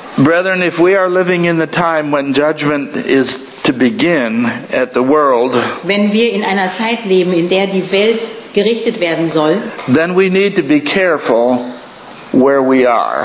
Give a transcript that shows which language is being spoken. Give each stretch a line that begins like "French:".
English: Brethren, if we are living in the time when judgment is to begin at the world,
German: wenn wir in einer Zeit leben, in der die Welt gerichtet werden soll,
English: then we need to be careful where we are.